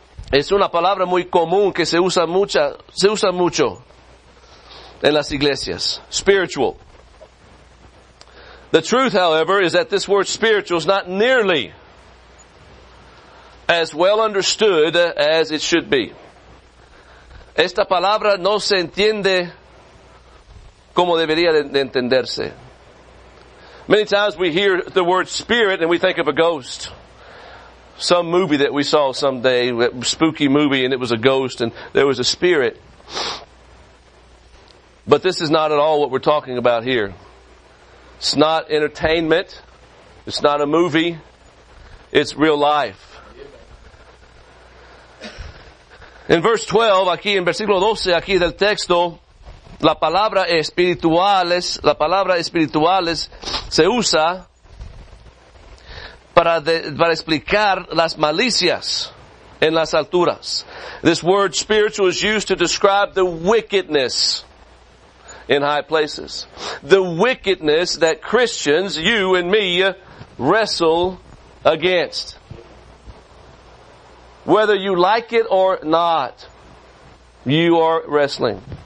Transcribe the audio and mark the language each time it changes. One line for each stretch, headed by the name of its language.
Spanish: Es una palabra muy común que se usa mucho en las iglesias.
English: Spiritual. The truth, however, is that this word spiritual is not nearly as well understood as it should be.
Spanish: Esta palabra no se entiende como debería de entenderse.
English: Many times we hear the word spirit and we think of a ghost. Some movie that we saw someday, a spooky movie, and it was a ghost and there was a spirit. But this is not at all what we're talking about here. It's not entertainment. It's not a movie. It's real life. In verse 12,
Spanish: aquí en versículo 12, aquí del texto, La palabra espirituales se usa para explicar las malicias en las alturas.
English: This word spiritual is used to describe the wickedness in high places. The wickedness that Christians, you and me, wrestle against. Whether you like it or not, you are wrestling.